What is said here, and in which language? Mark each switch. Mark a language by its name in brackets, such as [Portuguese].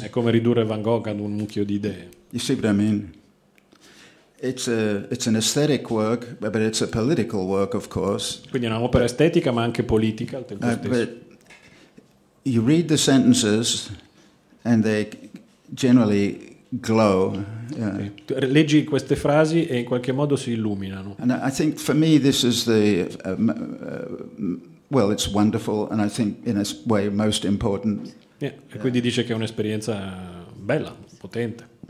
[Italian] È come ridurre Van Gogh ad un mucchio di idee. [English] You see what I mean? It's an aesthetic work, but it's a political work, of course. [Italian] Quindi è un'opera estetica, ma anche politica al tempo stesso. [English] But you read the sentences, and they generally glow. [Italian] Leggi queste frasi e in qualche modo si illuminano. [English] And I think for me this is the well, it's wonderful, and I think in a way most important. [Italian] Yeah. E quindi dice che è un'esperienza bella, potente.